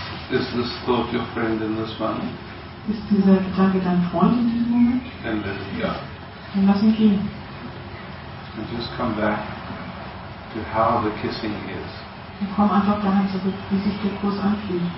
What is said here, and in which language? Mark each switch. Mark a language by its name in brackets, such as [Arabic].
[English] Is this thought your friend in this moment? [German] Ist dieser Gedanke dein Freund in diesem Moment? [English] And then, yeah. [German] Dann lass ihn gehen. [English] And just come back to how the kissing is. [German] Ich komme einfach daran zurück, wie sich der Kurs anfühlt.